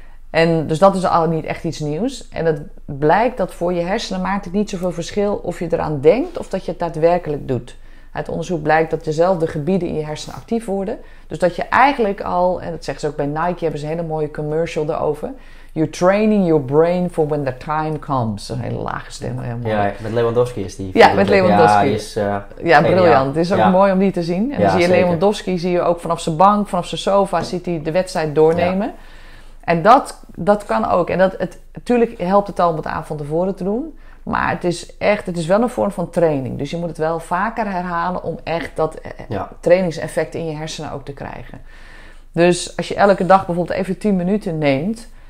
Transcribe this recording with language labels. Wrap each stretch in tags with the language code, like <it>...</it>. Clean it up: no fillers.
<nl>En dus dat is al niet echt iets nieuws. En het blijkt dat voor je hersenen maakt het niet zoveel verschil of je eraan denkt of dat je het daadwerkelijk doet. Uit onderzoek blijkt dat dezelfde gebieden in je hersenen actief worden. Dus dat je eigenlijk al, en dat zeggen ze ook bij Nike, hebben ze een hele mooie commercial erover.</nl> <en>You're training your brain for when the time comes.</en> <nl>Een hele lage stem. Heel mooi. Ja, met Lewandowski is die. Ja, met Lewandowski. Ja, briljant. Het is ook mooi om die te zien. En dan zie je Lewandowski, zie je ook vanaf zijn bank, vanaf zijn sofa, ziet hij de wedstrijd doornemen. Ja. En dat kan ook. En natuurlijk helpt het al om het avond tevoren te doen. Maar het is wel een vorm van training. Dus je moet het wel vaker herhalen om echt dat trainingseffect in je hersenen ook te krijgen. Dus als je elke dag bijvoorbeeld even 10 minuten neemt.</nl>